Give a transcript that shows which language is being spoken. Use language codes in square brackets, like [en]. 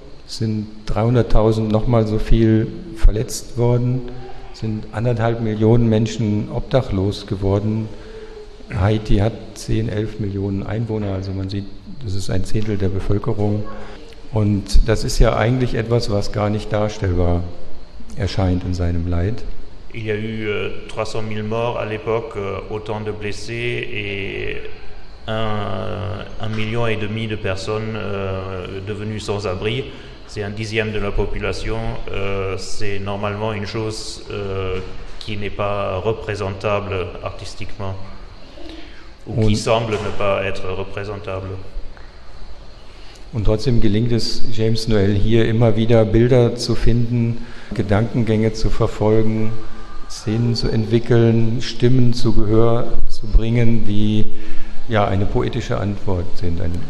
[de] Sind 300.000 nochmal so viel verletzt worden, sind 1,5 Millionen Menschen obdachlos geworden. Haiti hat 10, 11 Millionen Einwohner, also man sieht, das ist ein Zehntel der Bevölkerung. Und das ist ja eigentlich etwas, was gar nicht darstellbar erscheint in seinem Leid. [fr] Il y a eu 300.000 morts à l'époque, autant de blessés et un million et demi de personnes devenues sans abri. C'est un dixième de la population, c'est normalement une chose qui n'est pas représentable artistiquement ou qui semble ne pas être représentable. [de] Und trotzdem gelingt es James Noel hier immer wieder Bilder zu finden, Gedankengänge zu verfolgen, Szenen zu entwickeln, Stimmen zu Gehör zu bringen, die ja eine poetische Antwort sind.